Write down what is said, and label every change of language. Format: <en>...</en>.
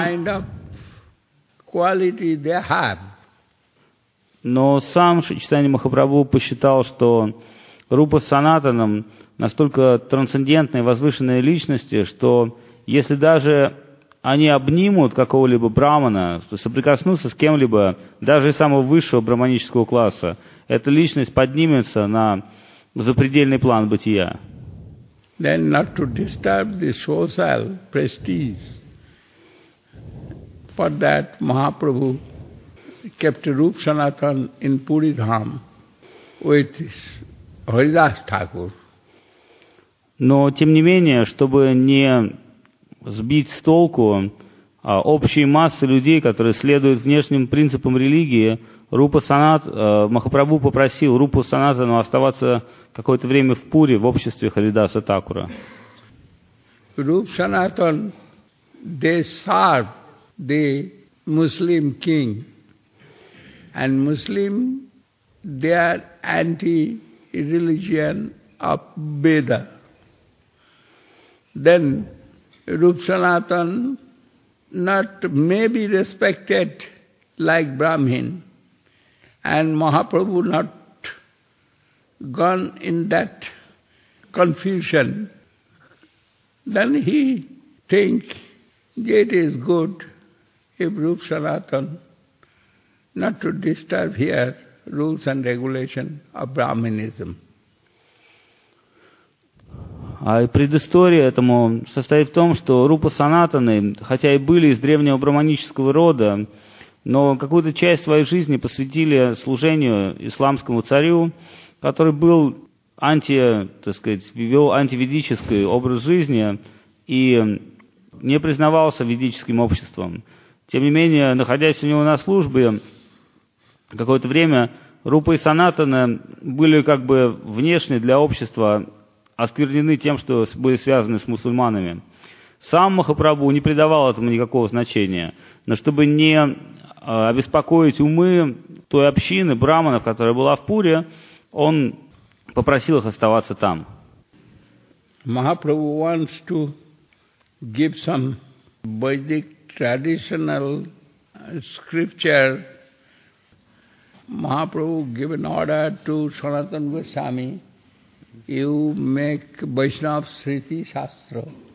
<en>kind of quality they have.</en> <ru>Но сам Шри Чайтанья Махапрабху посчитал, что Рупа с Санатаном настолько трансцендентные, возвышенные личности, что если даже они обнимут какого-либо брамана, то соприкоснутся с кем-либо, даже самого высшего брахманического класса, эта личность поднимется на запредельный план бытия.</ru> <en>Then not to disturb the social prestige. For that, Mahaprabhu kept Rupa Sanatan in Puri Dham with Haridas Thakur.</en> <ru>Но тем не менее, чтобы не сбить с толку общие массы людей, которые следуют внешним принципам религии, Махапрабху попросил Рупу Санатану оставаться какое-то время в Пури в обществе Харидаса Такура.</ru> <en>Rupa Sanatan, they serve the Muslim king. And Muslim, they are anti-religion of Veda. Then Rupa Sanatan not maybe respected like Brahmin, and Mahaprabhu not gone in that confusion. Then he think it is good if Rupa Sanatan not to disturb here rules and regulation of Brahminism.</en> <ru>А предыстория этому состоит в том, что Рупа Санатаны, хотя и были из древнего брахманического рода, но какую-то часть своей жизни посвятили служению исламскому царю, который был вел антиведический образ жизни и не признавался ведическим обществом. Тем не менее, находясь у него на службе, какое-то время Рупа и Санатаны были как бы внешне для общества осквернены тем, что были связаны с мусульманами. Сам Махапрабху не придавал этому никакого значения. Но чтобы не обеспокоить умы той общины браманов, которая была в Пуре, он попросил их оставаться там.</ru> <en>Махапрабху wants to give some Vedic traditional scripture. Махапрабху gave an order to Sanatan Goswami. You make Vaishnav Sriti Shastra.</en>